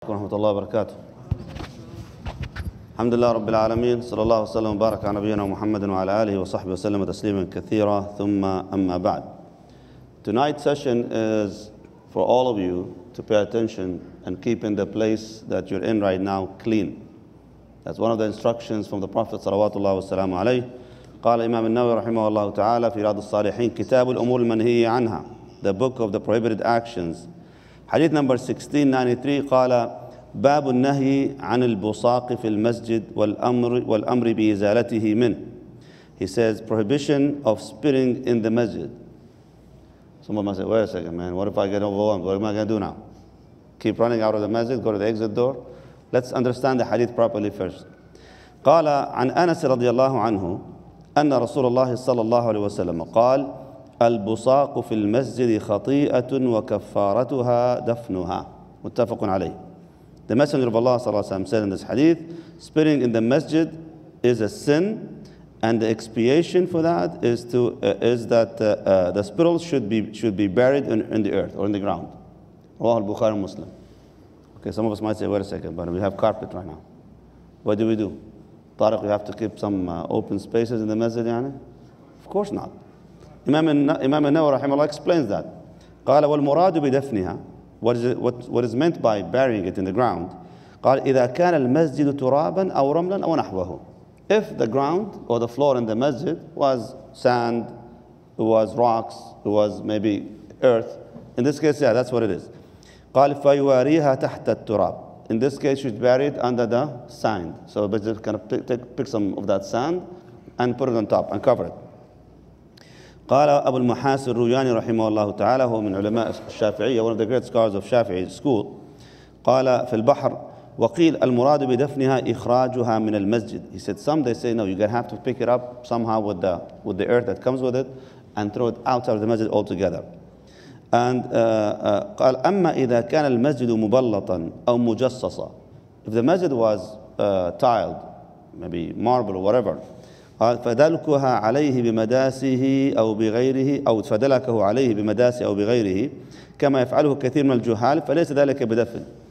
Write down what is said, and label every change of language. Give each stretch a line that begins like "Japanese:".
Arabic: عليكم ورحمة الله وبركاته. الحمد لله رب العالمين صلى الله وسلم وبارك على نبينا محمد وعلى آله وصحبه وسلم تسليما كثيرا ثم أما بعد.
English: Tonight's session is for all of you to pay attention and keeping the place that you're in right now clean. That's one of the instructions from the Prophet
Arabic: صلى الله وسلم عليه. قال الإمام النووي رحمه الله تعالى في رياض الصالحين كتاب الأمور المنهية عنها.
English: The book of the prohibited actions. Hadith number 1693
Arabic: قال باب النهي عن البصاق في المسجد والأمر بإزالته منه.
English: He says prohibition of spitting in the masjid. Someone might say, wait a second, man, what if I get overwhelmed? What am I going to do now? Keep running out of the masjid, go to the exit door? Let's understand the hadith properly first.
Arabic: قال عن أنس رضي الله عنه أن رسول الله صلى الله عليه وسلم قال البصاق في المسجد خطيئة وكفارتها دفنها. متفق عليه.
English: The Messenger of Allah
Arabic: صلى الله عليه وسلم
English: said in this hadith, spitting in the masjid is a sin, and the expiation for that is that the spittle should be buried in the earth or in the ground.
Arabic: رواه البخاري ومسلم.
English: Okay, some of us might say, wait a second, but we have carpet right now. What do? Tariq, you have to keep some open spaces in the masjid,
Arabic: يعني?
English: Of course not. Imam al-Nawawi rahimahullah explains that.
Arabic: قال والمراد بدفنها.
English: What is meant by burying it in the ground?
Arabic: قال إذا كان المسجد ترابا أو رملا أو نحوه.
English: If the ground or the floor in the masjid was sand, it was rocks, it was maybe earth. In this case, yeah, that's what it is.
Arabic: قال فيواريها تحت التراب.
English: In this case, she's buried under the sand. So the masjid can pick some of that sand and put it on top and cover it.
Arabic: قال أبو المحاس الرياني رحمه الله تعالى هو من علماء الشافعية
English: one of the great scholars of Shafi'i school
Arabic: قال في البحر وقيل المراد بدفنها إخراجها من المسجد.
English: He said some they say no, you're gonna have to pick it up somehow with the earth that comes with it and throw it out of the masjid altogether. And
Arabic: قال أما إذا كان المسجد مبلطا أو مجصصا.
English: If the masjid was tiled, maybe marble or whatever,
Arabic: فدلكها عليه بمداسه أو بغيره أو فدلكه عليه بمداسه أو بغيره كما يفعله كثير من الجهال فليس ذلك بدفن.